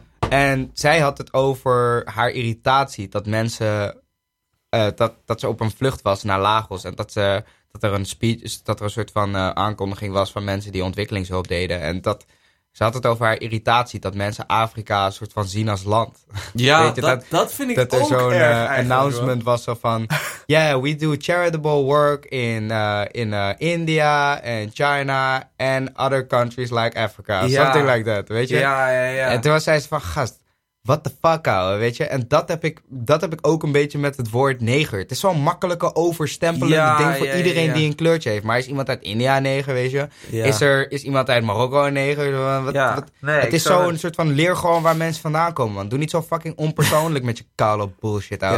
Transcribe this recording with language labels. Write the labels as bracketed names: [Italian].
[Dutch] En zij had het over haar irritatie dat mensen... Dat ze op een vlucht was naar Lagos. En dat er een soort van aankondiging was van mensen die ontwikkelingshulp deden. En dat ze had het over haar irritatie dat mensen Afrika een soort van zien als land. Ja, weet je, dat vind ik dat ook er zo'n erg [English] announcement [Dutch] wel. Was zo van... [English] Yeah, we do charitable work in India and China and other countries like Africa. [Dutch] Ja. [English] Something like that, [Dutch] weet je? Ja, ja, ja. En toen was zij van, gast, [English] what the fuck, [Dutch] ouwe, weet je? En dat heb ik ook een beetje met het woord neger. Het is zo'n makkelijke, overstempelende ding voor iedereen die een kleurtje heeft. Maar is iemand uit India een neger, weet je? Ja. Is iemand uit Marokko een neger? Nee, het is zo'n soort van leergoon waar mensen vandaan komen, man. Doe niet zo fucking onpersoonlijk met je kale bullshit, ouwe.